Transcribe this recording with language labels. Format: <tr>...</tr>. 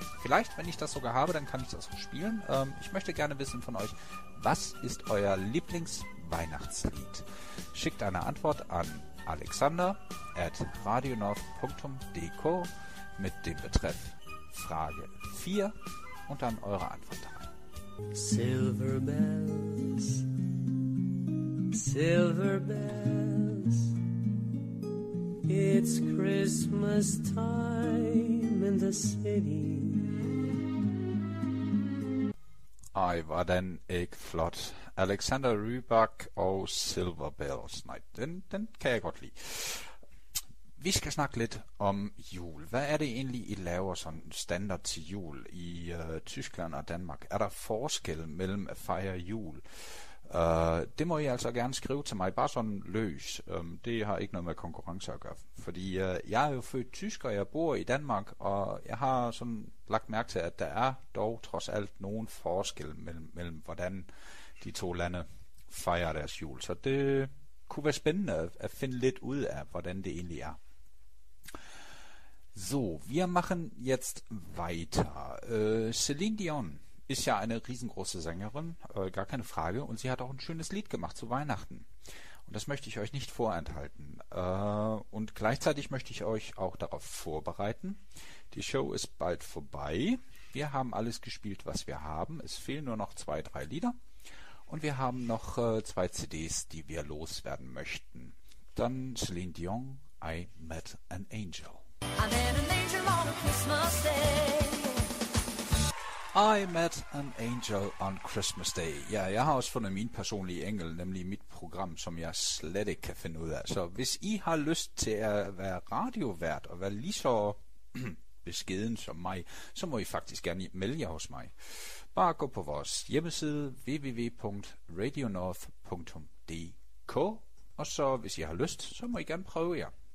<de>Vielleicht, wenn ich das sogar habe, dann kann ich das auch spielen. Ich möchte gerne wissen von euch, was ist euer Lieblingsweihnachtslied? Schickt eine Antwort an alexander@radionorth.dk mit dem Betreff Frage 4 und dann eure Antwort daran.</de> <en>Silver bells, silver bells, it's Christmas time in the city.</en> <da>Ej, var den ikke flot. Alexander Rybak og Silver Bells. Nej, den kan jeg godt lide. Vi skal snakke lidt om jul. Hvad er det egentlig, I laver sådan standard til jul i Tyskland og Danmark? Er der forskel mellem at fejre jul? Det må I altså gerne skrive til mig, bare sådan løs. Det har ikke noget med konkurrence at gøre. Fordi jeg er jo født tysker, jeg bor i Danmark, og jeg har sådan lagt mærke til, at der er dog trods alt nogen forskel mellem hvordan de to lande fejrer deres jul. Så det kunne være spændende at finde lidt ud af, hvordan det egentlig er.</da> <de>So, wir machen jetzt weiter. Celine Dion ist ja eine riesengroße Sängerin, gar keine Frage, und sie hat auch ein schönes Lied gemacht zu Weihnachten. Und das möchte ich euch nicht vorenthalten. Und gleichzeitig möchte ich euch auch darauf vorbereiten. Die Show ist bald vorbei. Wir haben alles gespielt, was wir haben. Es fehlen nur noch 2-3 Lieder. Und wir haben noch 2 CDs, die wir loswerden möchten. Dann Celine Dion, I Met an Angel.</de> <en>I met an angel on a Christmas day. I met an angel on Christmas day.</en> <da>Ja, jeg har også fundet min personlige engel, nemlig mit program, som jeg slet ikke kan finde ud af. Så hvis I har lyst til at være radiovært og være lige så beskeden som mig, så må I faktisk gerne melde jer hos mig. Bare gå på vores hjemmeside www.radionorth.dk, og så hvis I har lyst, så må I gerne prøve jer.</da>